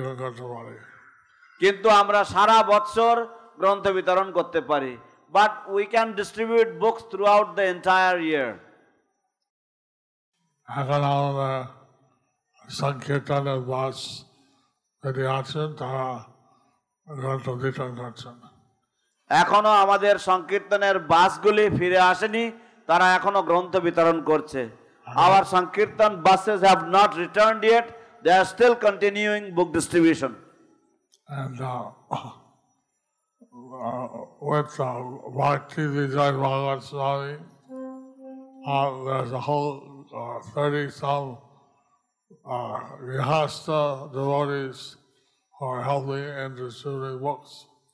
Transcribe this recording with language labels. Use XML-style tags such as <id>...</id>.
<bn>আমরা সারা বছর গ্রন্থ বিতরণ করতে পারি।</bn> <en>But we can distribute books throughout the entire year.</en> <bn>এখন আমরা সংকীর্তনের বাস যদি আছেন তারা গ্রন্থ বিতরণ করছেন। এখনো আমাদের সংকীর্তনের বাসগুলি ফিরে আসেনি, তারা এখনো গ্রন্থ বিতরণ করছে।</bn> <en>Our Sankirtan buses have not returned yet. They are still continuing book distribution. And with Bhakti Vijay Bhagavat Swami, there's a whole 30-some Vihasta devotees who are helping in distributing books.</en>